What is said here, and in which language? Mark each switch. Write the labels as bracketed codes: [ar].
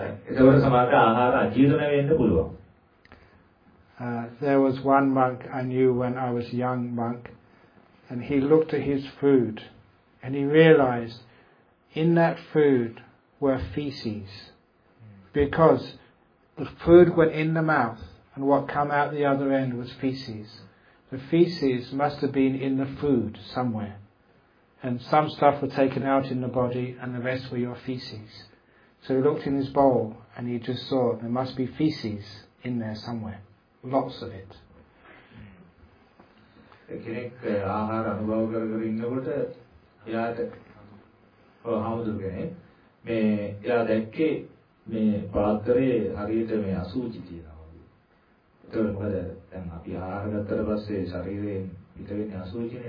[si] එතකොට සමහර ආහාර අජීර්ණ වෙන්න පුළුවන්. [en] There was one monk I knew when I was a young monk, and he looked at his food and he realized in that food were feces, because the food went in the mouth and what came out the other end was feces. The feces must have been in the food somewhere, and some stuff were taken out in the body and the rest were your feces. So he looked in his bowl and he just saw there must be feces in there somewhere, lots of it. [si] කෙනෙක් ආහාර අනුභව කරගෙන ඉන්නකොට එයාට හවුදුනේ මේ එයා දැක්කේ මේ පාත්‍රයේ හරියට මේ අසුචි තියෙනවා. එතකොට දැන් අපි ආහාර ගත්තට පස්සේ ශරීරයෙන් පිටවෙන අසුචිනේ.